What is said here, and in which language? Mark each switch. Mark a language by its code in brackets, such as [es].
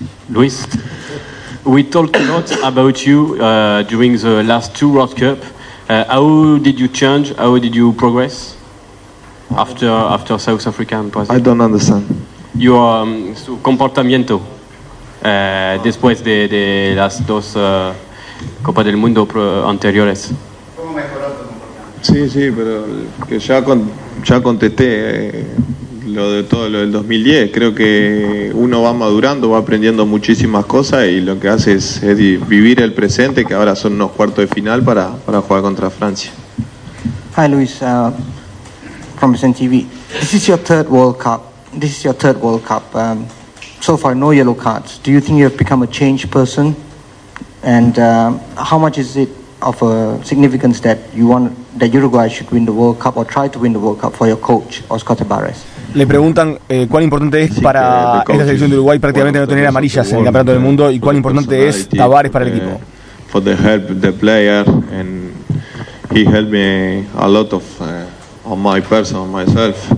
[en] Luis, we talked a lot about you during the last 2 World Cup. How did you change? How did you progress after South Africa and Brazil? I don't understand. [es] Su comportamiento después de las 2 Copas del Mundo anteriores. ¿Cómo mejoró tu comportamiento? Sí, pero que ya contesté lo de todo lo del 2010. Creo que uno va madurando, va aprendiendo muchísimas cosas y lo que hace es vivir el presente, que ahora son unos cuartos de final para jugar contra Francia. [en] Hi Luis, from SNTV. This is your 3rd World Cup. This is your 3rd World Cup. So far, no yellow cards. Do you think you have become a changed person? And how much is it of a significance that you want that Uruguay should win the World Cup or try to win the World Cup for your coach, Oscar Tabárez? [es] Le preguntan cuán importante es para esta selección de Uruguay prácticamente no tener amarillas en el campeonato del mundo y cuán importante es Tabárez para el equipo. [en] For the help the player and he helped me a lot of on my person myself.